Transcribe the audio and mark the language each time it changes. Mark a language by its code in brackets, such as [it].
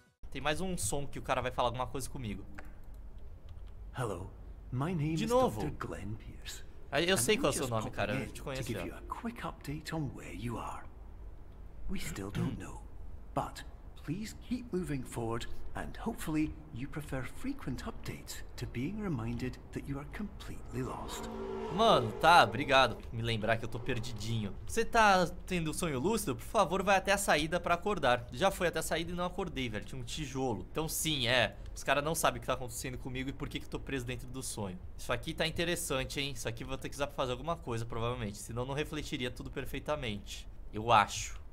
[pt] Tem mais um som que o cara vai falar alguma coisa comigo. [en] Hello, my name [pt] de novo. [en] Is Dr. Glenn Pierce. [pt] Eu sei qual é o seu nome, cara. Eu te conheço. [en] To give you a quick update on where you are. We still don't know, but please keep moving forward and hopefully you prefer frequent updates to being reminded that you are completely lost. [pt] Mano, tá, obrigado por me lembrar que eu tô perdidinho. Você tá tendo um sonho lúcido? Por favor, vai até a saída pra acordar. Já fui até a saída e não acordei, velho. Tinha um tijolo. Então sim, é. Os caras não sabem o que tá acontecendo comigo e por que que eu tô preso dentro do sonho. Isso aqui tá interessante, hein? Isso aqui eu vou ter que usar pra fazer alguma coisa, provavelmente. Senão não refletiria tudo perfeitamente. Eu acho.